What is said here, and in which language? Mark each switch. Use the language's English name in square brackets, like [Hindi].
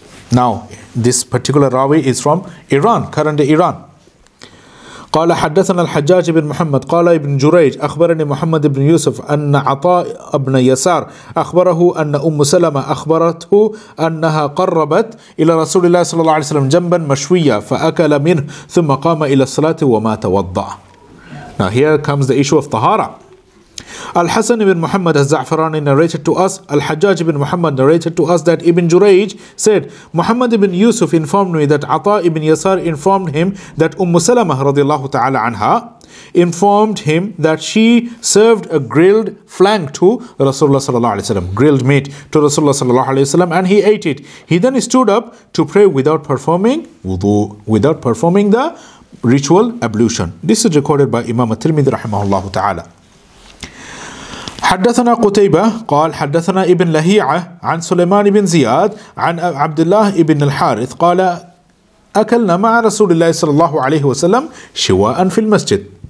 [English] Now, this particular rawi is from Iran, current Iran. [Arabic] قال حدثنا الحجاج بن محمد قال ابن جريج أخبرني محمد بن يوسف أن عطاء ابن يسار أخبره أن أم سلمة أخبرته أنها قربت إلى رسول الله صلى الله عليه وسلم جنبا مشوية فأكل منه ثم قام إلى الصلاة وما توضأ. [English] Now here comes the issue of طهارة. Al-Hasan ibn Muhammad al-Za'farani narrated to us, Al-Hajjaj ibn Muhammad narrated to us that Ibn Jurayj said, Muhammad ibn Yusuf informed me that Ata ibn Yasar informed him that Ummu Salamah radiallahu ta'ala anha informed him that she served a grilled flank to Rasulullah sallallahu alayhi wa sallam, grilled meat to Rasulullah sallallahu alayhi wa sallam, and he ate it. He then stood up to pray without performing wudu, without performing the ritual ablution. This is recorded by Imam At-Tirmidhi rahimahullahu ta'ala. [Arabic] حدثنا قتيبة قال حدثنا ابن لهيعة عن سليمان بن زياد عن عبد الله بن الحارث قال أكلنا مع رسول الله صلى الله عليه وسلم شواء في المسجد.